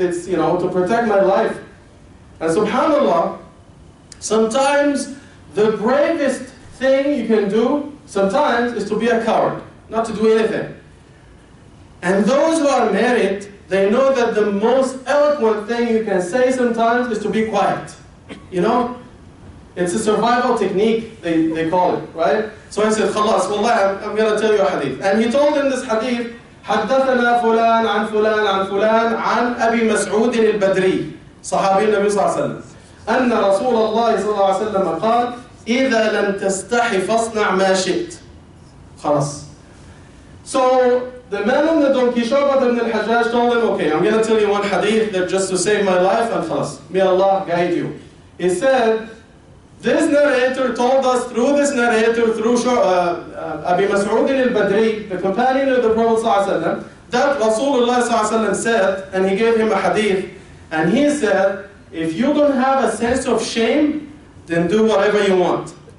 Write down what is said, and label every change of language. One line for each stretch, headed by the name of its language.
English: It's, you know, to protect my life. And subhanAllah, sometimes the bravest thing you can do sometimes is to be a coward, not to do anything. And those who are married, they know that the most eloquent thing you can say sometimes is to be quiet. You know? It's a survival technique, they call it, right? So I said, khalas, wallah, I'm going to tell you a hadith. And he told him this hadith,
Arabic: حَدَّثَنَا فُلَان عَن فُلَان عَن فُلَان عَن أَبِي مَسْعُودٍ الْبَدْرِي صحابي النبي صلى الله عليه وسلم أَنَّ رَسُولَ اللَّهِ صلى الله عليه وسلم قال إِذَا لَمْ تَسْتَحِ فَاصْنَعْ مَا شِئْتْ خلاص.
English: So the man on the donkey, Shu'bah ibn al-Hajjaj, told him, okay, I'm going to tell you one hadith that just to save my life, and khalas, may Allah guide you. He said, this narrator told us through this narrator, through Abi Mas'ud al-Badri, the companion of the Prophet ﷺ, that Rasulullah ﷺ said, and he gave him a hadith, and he said, if you don't have a sense of shame, then do whatever you want.